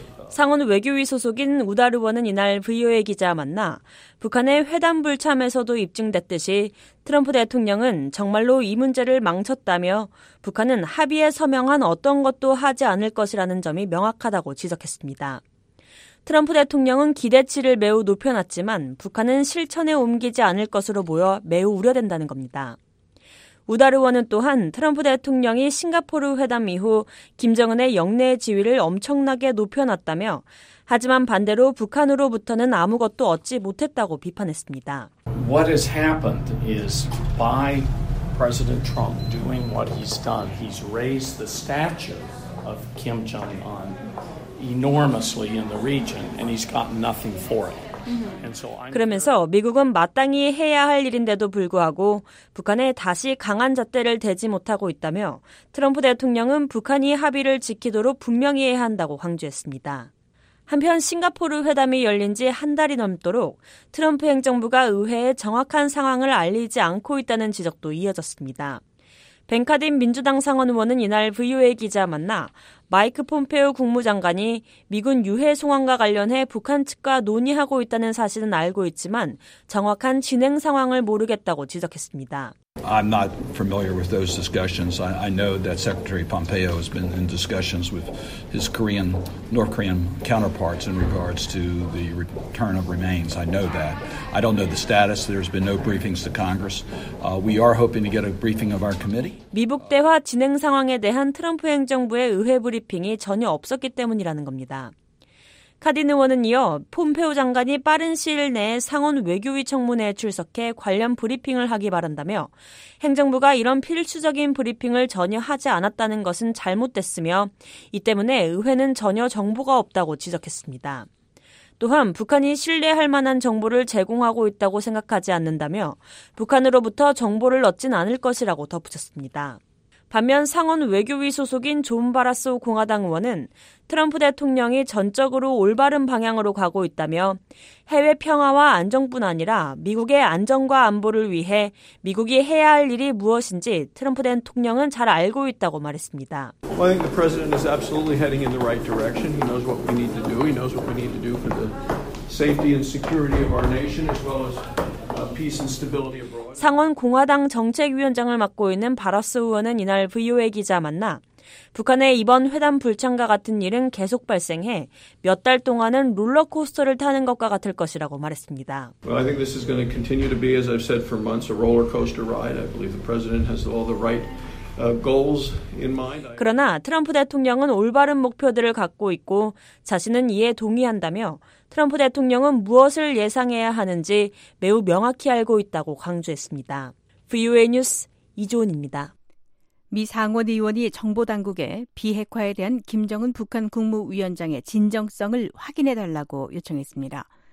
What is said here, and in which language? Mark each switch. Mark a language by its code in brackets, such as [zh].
[ko] 상원 외교위 소속인 우달 의원은 이날 VOA 기자 만나 북한의 회담 불참에서도 입증됐듯이 트럼프 대통령은 정말로 이 문제를 망쳤다며 북한은 합의에 서명한 어떤 것도 하지 않을 것이라는 점이 명확하다고 지적했습니다. 트럼프 대통령은 기대치를 매우 높여놨지만 북한은 실천에 옮기지 않을 것으로 보여 매우 우려된다는 겁니다. 우달 의원은 또한 트럼프 대통령이 싱가포르 회담 이후 김정은의 영내 지위를 엄청나게 높여놨다며 하지만 반대로 북한으로부터는 아무것도 얻지 못했다고 비판했습니다. [en] What has happened is by President Trump doing what he's done, he's raised the stature of Kim Jong-un enormously in the region and he's gotten nothing for it. [ko] 그러면서 미국은 마땅히 해야 할 일인데도 불구하고 북한에 다시 강한 잣대를 대지 못하고 있다며 트럼프 대통령은 북한이 합의를 지키도록 분명히 해야 한다고 강조했습니다. 한편 싱가포르 회담이 열린 지 한 달이 넘도록 트럼프 행정부가 의회에 정확한 상황을 알리지 않고 있다는 지적도 이어졌습니다. 벤카딘 민주당 상원 의원은 이날 VOA 기자 만나 마이크 폼페오 국무장관이 미군 유해 송환과 관련해 북한 측과 논의하고 있다는 사실은 알고 있지만 정확한 진행 상황을 모르겠다고 지적했습니다. [en] I'm not familiar with those discussions. I know that Secretary Pompeo has been in discussions with his Korean, North Korean counterparts in regards to the return of remains. I know that. I don't know the status. There's been no briefings to Congress. We are hoping to get a briefing of our committee. [ko] 미북 대화 진행 상황에 대한 트럼프 행정부의 의회 브리핑이 전혀 없었기 때문이라는 겁니다. 카딘 의원은 이어 폼페오 장관이 빠른 시일 내에 상원 외교위 청문회에 출석해 관련 브리핑을 하기 바란다며 행정부가 이런 필수적인 브리핑을 전혀 하지 않았다는 것은 잘못됐으며 이 때문에 의회는 전혀 정보가 없다고 지적했습니다. 또한 북한이 신뢰할 만한 정보를 제공하고 있다고 생각하지 않는다며 북한으로부터 정보를 얻진 않을 것이라고 덧붙였습니다. 반면 상원 외교위 소속인 존 바라소 공화당 의원은 트럼프 대통령이 전적으로 올바른 방향으로 가고 있다며 해외 평화와 안정뿐 아니라 미국의 안전과 안보를 위해 미국이 해야 할 일이 무엇인지 트럼프 대통령은 잘 알고 있다고 말했습니다. [en] I think the president is absolutely heading in the right direction. He knows what we need to do. He knows what we need to do for the safety and security of our nation as well as peace and stability abroad. [ko] 상원 공화당 정책위원장을 맡고 있는 바라스 의원은 이날 VOA 기자 만나 북한의 이번 회담 불참과 같은 일은 계속 발생해 몇 달 동안은 롤러코스터를 타는 것과 같을 것이라고 말했습니다. [en] Well, I think this is going to continue to be, as I've said for months, a roller coaster ride. I believe the president has all the right goals in mind. [ko] 그러나 트럼프 대통령은 올바른 목표들을 갖고 있고 자신은 이에 동의한다며 트럼프 대통령은 무엇을 예상해야 하는지 매우 명확히 알고 있다고 강조했습니다. VOA 뉴스 이조은입니다. 미 상원 의원이 정보당국에 비핵화에 대한 김정은 북한 국무위원장의 진정성을 확인해달라고 요청했습니다.